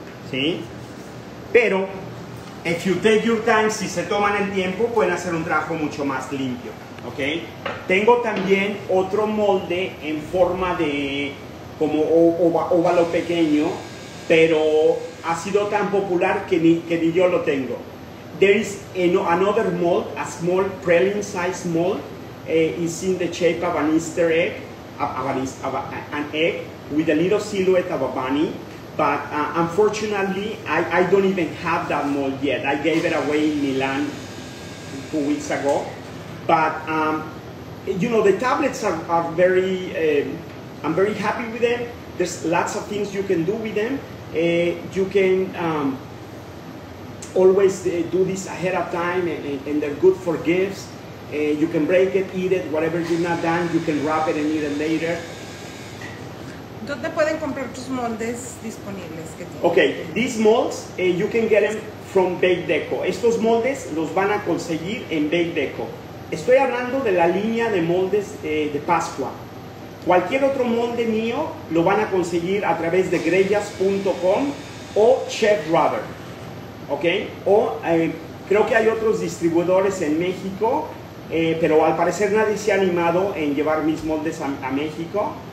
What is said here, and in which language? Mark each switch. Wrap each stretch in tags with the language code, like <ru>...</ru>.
<es>¿Sí? Pero, if you take your time, si se toman el tiempo, pueden hacer un trabajo mucho más limpio, ¿ok? Tengo también otro molde en forma de como óvalo pequeño, pero ha sido tan popular que ni yo lo tengo.</es> <en>There is another mold, a small praline size mold, is in the shape of an Easter egg, an egg with a little silhouette of a bunny. But unfortunately, I don't even have that mold yet. I gave it away in Milan 2 weeks ago. But you know, the tablets are very. I'm very happy with them. There's lots of things you can do with them. You can always do this ahead of time, and they're good for gifts. You can break it, eat it, whatever you've not done, you can wrap it and eat it later.</en> <es>¿Dónde pueden comprar tus moldes disponibles que tienen?</es> <en>Okay, these molds, you can get them from BakeDeco.</en> <es>Estos moldes los van a conseguir en BakeDeco. Estoy hablando de la línea de moldes de Pascua. Cualquier otro molde mío lo van a conseguir a través de Greyas.com o Chef Rubber. Okay? O creo que hay otros distribuidores en México, pero al parecer nadie se ha animado en llevar mis moldes a México.</es>